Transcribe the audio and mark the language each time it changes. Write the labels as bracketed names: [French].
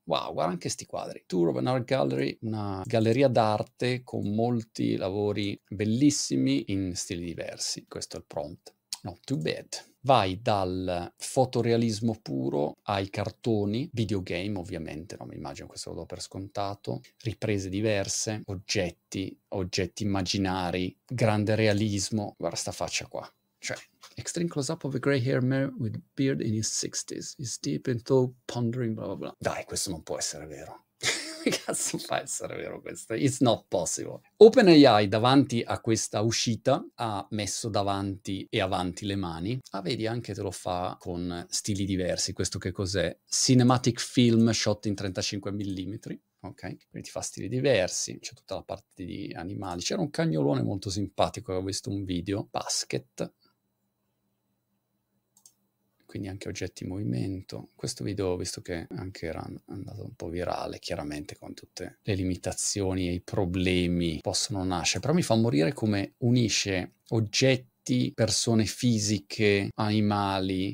[Italian] Wow, guarda anche sti quadri. [English] Tour of an Art Gallery, [Italian] una galleria d'arte con molti lavori bellissimi in stili diversi. Questo è il prompt. [English] Not too bad. [Italian] Vai dal fotorealismo puro ai cartoni, videogame ovviamente, non mi immagino, questo lo do per scontato, riprese diverse, oggetti immaginari, grande realismo. Guarda sta faccia qua, cioè [English] extreme close up of a grey hair man with beard in his 60s, he's deep in thought, pondering blah blah blah. [Italian] Dai, questo non può essere vero. Cazzo fa essere vero questo? [English] It's not possible. [Italian] OpenAI, davanti a questa uscita, ha messo davanti e avanti le mani. Ah, vedi, anche te lo fa con stili diversi. Questo che cos'è? [English] Cinematic film shot in 35 mm. [Italian] Ok, quindi ti fa stili diversi, c'è tutta la parte di animali. C'era un cagnolone molto simpatico, avevo visto un video. Basket. Quindi anche oggetti in movimento. Questo video, visto che anche era andato un po' virale, chiaramente con tutte le limitazioni e i problemi possono nascere, però mi fa morire come unisce oggetti, persone fisiche, animali.